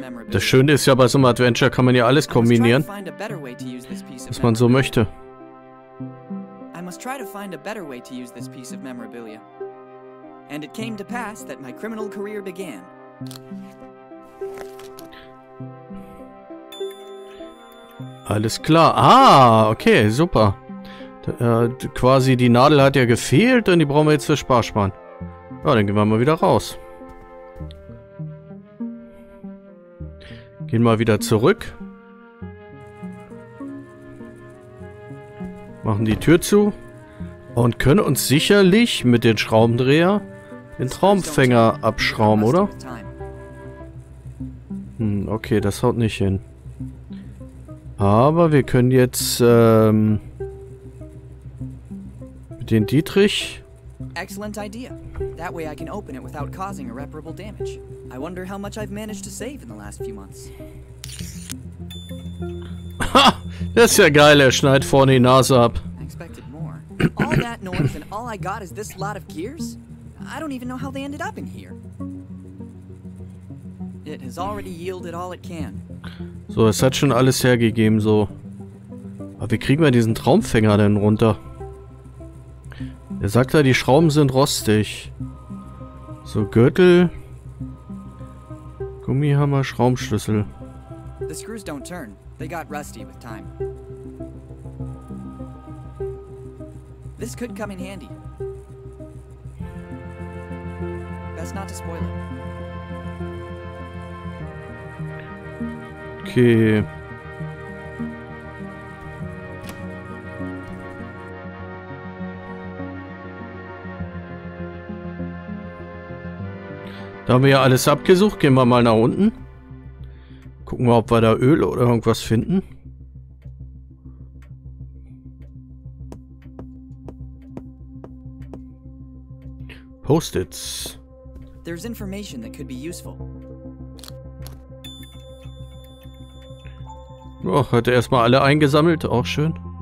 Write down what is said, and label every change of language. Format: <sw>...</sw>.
<de>Das Schöne ist ja, bei so einem Adventure kann man ja alles kombinieren, was man so möchte.</de> <en>Try to find a better way to use this piece of memorabilia. And it came to pass that my criminal career began.</en> <de>Alles klar. Ah, okay, super. Quasi die Nadel hat ja gefehlt und die brauchen wir jetzt für Sparschwein. Ja, dann gehen wir mal wieder raus. Gehen mal wieder zurück. Machen die Tür zu. Und können uns sicherlich mit den Schraubendreher den Traumfänger abschrauben, oder? Hm, okay, das haut nicht hin. Aber wir können jetzt mit den Dietrich.</de> <en>Excellent idea. That way I can open it without causing irreparable damage. I wonder how much I've managed to save in the last few months. Ha!</en> <de>Das ist ja geil, er schneidet vorne die Nase ab.</de> <en>All that noise and all I got is this lot of gears? I don't even know how they ended up in here. It has already yielded all it can.</en> <de>So, es hat schon alles hergegeben, so. Aber wie kriegen wir diesen Traumfänger denn runter? Er sagt ja, die Schrauben sind rostig. So, Gürtel. Gummihammer, Schraubenschlüssel.</de> <en>The screws don't turn. They got rusty with time. This could come in handy. Best not to spoil it. Okay.</en> <de>Da haben wir ja alles abgesucht. Gehen wir mal nach unten. Gucken wir, ob wir da Öl oder irgendwas finden.</de> <en>Post-its. There's information that could be useful.</en> <de>Oh, hat er erstmal alle eingesammelt, auch schön.</de>